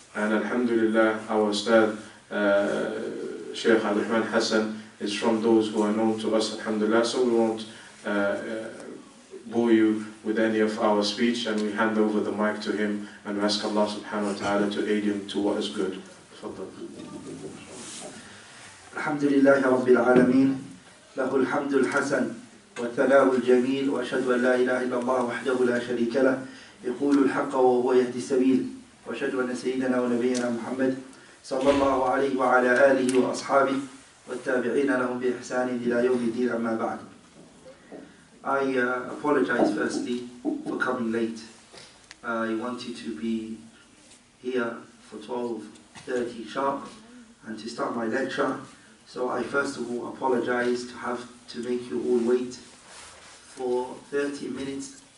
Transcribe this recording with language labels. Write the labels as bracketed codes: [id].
[en] And alhamdulillah, our ustad, Shaykh Al-Rahman Hassan, is from those who are known to us, alhamdulillah. So we won't bore you with any of our speech, and we hand over the mic to him and we ask Allah subhanahu wa ta'ala to aid him to what is good. [ar] الحمد لله رب العالمين له الحمد الحسن والثناء الجميل واشهد ان لا اله الا الله وحده لا شريك له يقول الحق وهو يهدي السبيل واشهد ان سيدنا ونبينا محمد صلى الله عليه وعلى اله واصحابه والتابعين لهم باحسان الى يوم الدين اما بعد. [en] I apologize firstly for coming late. I wanted to be here for 12:30 sharp and to start my lecture. So I first of all apologize to have to make you all wait for 40 minutes.